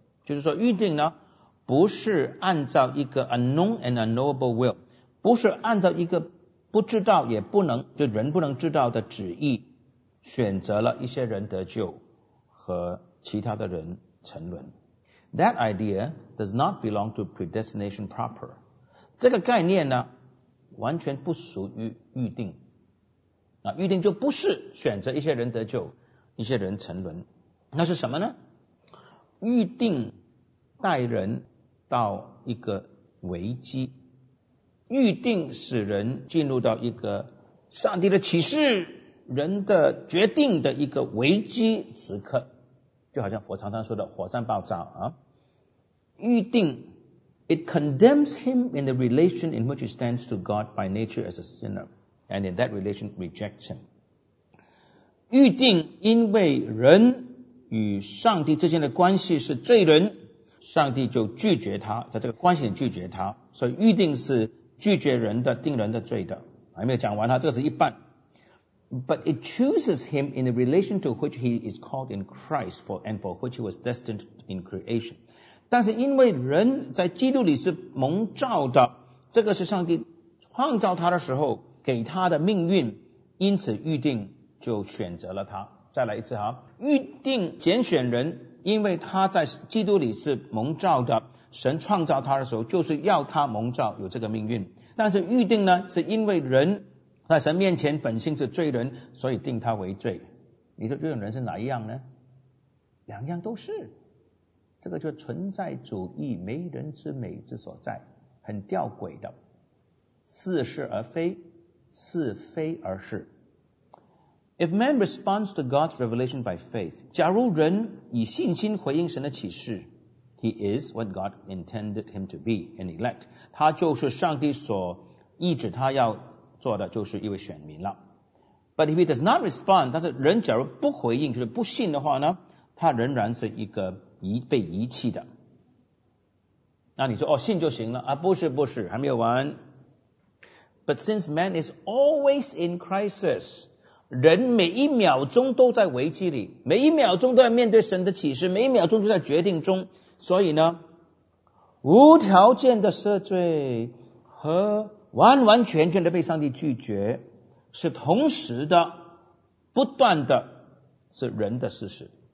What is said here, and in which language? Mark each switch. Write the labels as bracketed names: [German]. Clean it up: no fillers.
[Chinese] 就是说预定呢，不是按照一个 [English] unknown and unknowable will， [Chinese] 不是按照一个不知道也不能，就人不能知道的旨意，选择了一些人得救和其他的人沉沦。 [English] That idea does not belong to predestination proper， [Chinese] 这个概念呢完全不属于预定。那预定就不是选择一些人得救一些人沉沦，那是什么呢？预定带人到一个危机，预定使人进入到一个上帝的启示人的决定的一个危机时刻，就好像佛常常说的火山爆炸啊。 [English] 预定It condemns him in the relation in which he stands to God by nature as a sinner, and in that relation rejects him. [Chinese] 预定因为人与上帝之间的关系是罪人，上帝就拒绝他，在这个关系里拒绝他，所以预定是拒绝人的，定人的罪的。还没有讲完他，这个是一半。 [English] But it chooses him in the relation to which he is called in Christ for and for which he was destined in creation. [Chinese] 但是因为人在基督里是蒙召的，这个是上帝创造他的时候给他的命运，因此预定就选择了他。再来一次哈，预定拣选人，因为他在基督里是蒙召的，神创造他的时候就是要他蒙召有这个命运。但是预定呢，是因为人在神面前本性是罪人，所以定他为罪。你说这种人是哪一样呢？两样都是，这个就存在主义没人之美之所在，很吊诡的，似是而非，似非而是。 [English] If man responds to God's revelation by faith， [Chinese] 假如人以信心回应神的启示， [English] He is what God intended him to be an elect， [Chinese] 他就是上帝所意志他要做的，就是一位选民了。 [English] But if he does not respond， [Chinese] 但是人假如不回应就是不信的话呢，他仍然是一个被遗弃的。那你说哦，信就行了啊？不是不是，还没有完。 [English] But since man is always in crisis， [Chinese] 人每一秒钟都在危机里，每一秒钟都在面对神的启示，每一秒钟都在决定中，所以呢无条件的赦罪和完完全全的被上帝拒绝是同时的不断的，是人的事实。